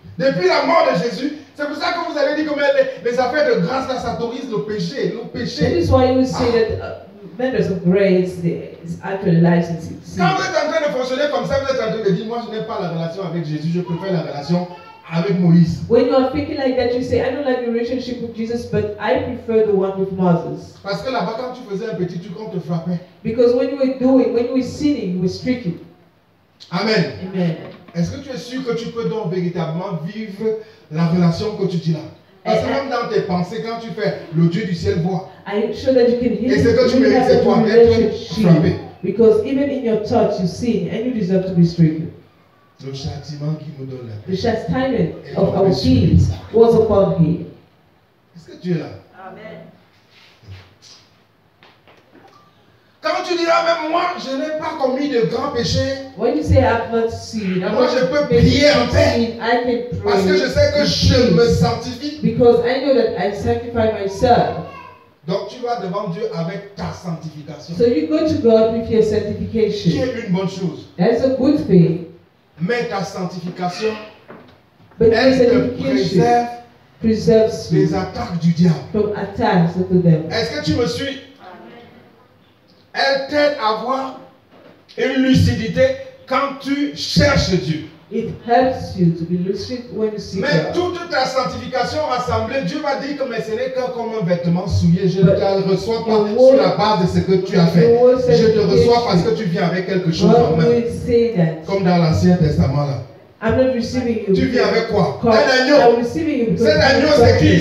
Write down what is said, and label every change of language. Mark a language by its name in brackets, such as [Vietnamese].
[French] Depuis la mort de Jésus, c'est pour ça que vous avez dit que les affaires de grâce là, ça autorise le péché, le péché. [English] That is why you say ah. That matters of grace is actually licensing. [French] Quand vous êtes en train de fonctionner comme ça, vous êtes en train de dire, moi je n'ai pas la relation avec Jésus, je préfère la relation avec Moïse. [English] When you are thinking like that, you say, I don't like the relationship with Jesus, but I prefer the one with Moses. [French] Parce que là-bas, quand tu faisais un petit truc, on te frappait. [English] Because when you were doing, when you were sinning, you were stricken. Amen. Amen. [French] Est-ce que tu es sûr que tu peux donc véritablement vivre la relation que tu dis là? Parce que même dans tes pensées, quand tu fais, le Dieu du ciel voit. [English] Are you sure that you can hear? [French] Et c'est que tu mérites, c'est toi, d'être frappé. [English] Because even in your thoughts, you sin and you deserve to be stricken. [French] Le châtiment qui nous donne la paix. [English] The chastisement of our sins was upon him. [French] Est-ce que Dieu est là? Amen. Quand tu diras, même moi, je n'ai pas commis de grands péchés. [English] When you say I have not sinned, [French] moi je peux prier en paix. [English] I can pray. [French] Parce que je sais que je me sanctifie. [English] Because I know that I sanctify myself. [French] Donc tu vas devant Dieu avec ta sanctification. [English] So you go to God with your sanctification. [French] Qui est une bonne chose. [English] That's a good thing. [French] Mais ta sanctification, [English] but [French] elle sanctification te préserve [English] preserves you [French] les attaques du diable. [English] From attacks of the devil. [French] Est-ce que tu me suis? Elle t'aide à avoir une lucidité quand tu cherches Dieu. [English] It helps you to be lucid when you seek God. [French] Mais toute ta sanctification rassemblée, Dieu m'a dit que mais ce n'est que comme un vêtement souillé. Je ne te reçois pas sur la base de ce que tu as fait. Je te reçois parce que tu viens avec quelque chose en main. Comme dans l'Ancien Testament là. [English] I'm not receiving you. [French] Tu viens avec quoi? Un agneau. Cet agneau, c'est qui?